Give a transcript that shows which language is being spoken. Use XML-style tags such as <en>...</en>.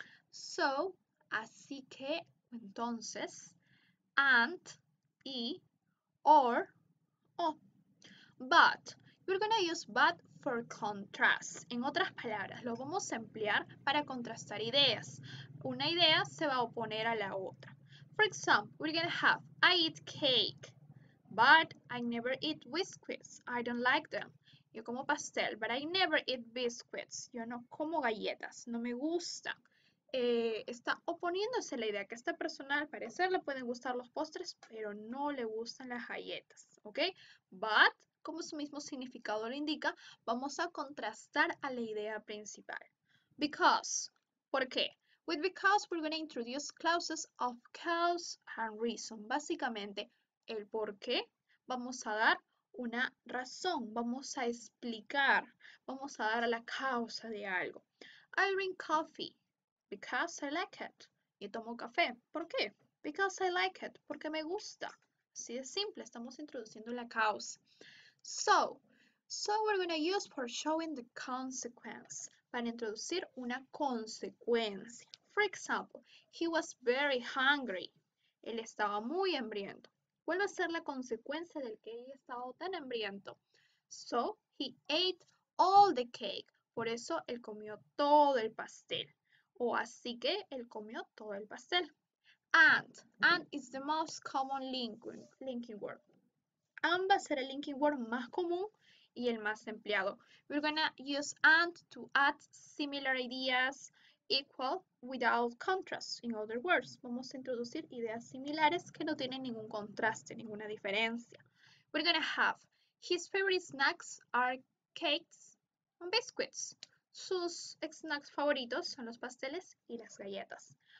<es>So, así que, entonces, and, y, or, oh.</es> <en>But, we're gonna use but for contrast.</en> <es>En otras palabras, lo vamos a emplear para contrastar ideas. Una idea se va a oponer a la otra.</es> <en>For example, we're gonna have, I eat cake, but I never eat biscuits. I don't like them.</en> <es>Yo como pastel,</es> <en>but I never eat biscuits.</en> <es>Yo no como galletas, no me gustan. Está oponiéndose a la idea que a esta persona al parecer le pueden gustar los postres, pero no le gustan las galletas, ¿ok? But, como su mismo significado lo indica, vamos a contrastar a la idea principal. Because, ¿por qué?</es> <en>With because we're going to introduce clauses of cause and reason.</en> <es>Básicamente, el por qué vamos a dar una razón, vamos a explicar, vamos a dar la causa de algo.</es> <en>I drink coffee because I like it.</en> <es>Yo tomo café. ¿Por qué?</es> <en>Because I like it.</en> <es>Porque me gusta. Así de simple, estamos introduciendo la causa.</es> <en>So we're going to use for showing the consequence,</en> <es>para introducir una consecuencia.</es> <en>For example, he was very hungry.</en> <es>Él estaba muy hambriento. ¿Cuál va a ser la consecuencia del que haya estado tan hambriento?</es> <en>So, he ate all the cake.</en> <es>Por eso, él comió todo el pastel. O así que, él comió todo el pastel.</es> <en>And is the most common linking word. And</en> <es>va a ser el linking word más común y el más empleado.</es> <en>We're gonna use and to add similar ideas. Equal without contrast. In other words,</en> <es>vamos a introducir ideas similares que no tienen ningún contraste, ninguna diferencia.</es> <en>We're gonna have his favorite snacks are cakes and biscuits.</en> <es>Sus snacks favoritos son los pasteles y las galletas.</es>